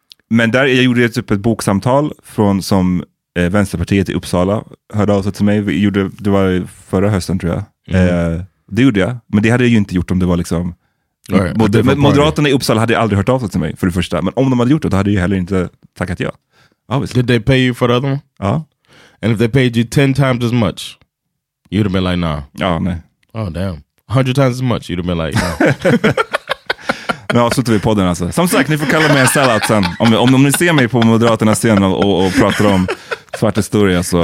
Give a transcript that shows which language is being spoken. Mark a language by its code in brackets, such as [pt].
[sv] Men där, jag gjorde typ ett boksamtal från som Vänsterpartiet i Uppsala hörde av sig till mig. Det var förra hösten, tror jag. Mm. Det gjorde jag. Men det hade jag ju inte gjort om det var liksom... Moderaterna i Uppsala hade aldrig hört av sig till mig, för det första. Men om de hade gjort det, då hade jag ju heller inte tackat ja. [en] Obviously. Did they pay you for that one? [sv] Ja. [en] And if they paid you 10 times as much, you'd have been like, nah. [sv] Ja, nej. [en] Oh, damn. 100 times as much, you'd have been like, nah. [sv] Nu avslutar vi podden alltså. Som sagt, ni får kalla mig en sellout sen. Om ni ser mig på Moderaternas scen och pratar om svart historia, så